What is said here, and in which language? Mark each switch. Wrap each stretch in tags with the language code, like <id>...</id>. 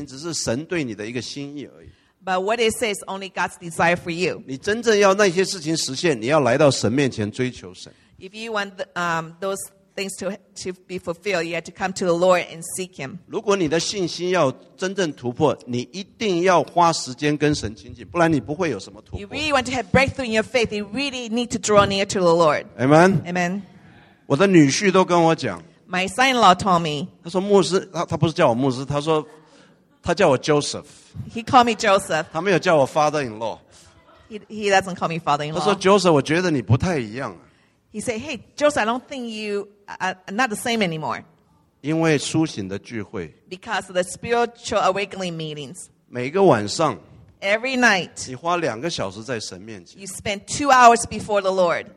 <zh>但是那些事情只是神对你的一个心意而已。</zh> <en>But what it says is only God's desire for you.</en> <zh>你真正要那些事情实现, 你要来到神面前追求神。</zh> <en>If you want those things to be fulfilled, you have to come to the Lord and seek Him.</en> <zh>如果你的信心要真正突破, 你一定要花时间跟神亲近, 不然你不会有什么突破。</zh> <en>You really want to have breakthrough in your faith, you really need to draw near to the Lord. Amen. Amen.</en> <zh>我的女婿都跟我讲,</zh> <en>my son-in-law told me,</en> <zh>他说牧师, 他不是叫我牧师, 他说, 他叫我Joseph.</zh> <en>He called me Joseph.</en> <zh>他没有叫我father-in-law.</zh> <en>He doesn't call me father-in-law.</en> <zh>他说Joseph, 我觉得你不太一样。</zh> <en>He said, hey, Joseph, I don't think you are not the same anymore.</en> <zh>因为苏醒的聚会,</zh> <en>because of the spiritual awakening meetings.</en> <zh>每个晚上,</zh> <en>every night,</en> <zh>你花2个小时在神面前,</zh> <en>you spend 2 hours before the Lord.</en>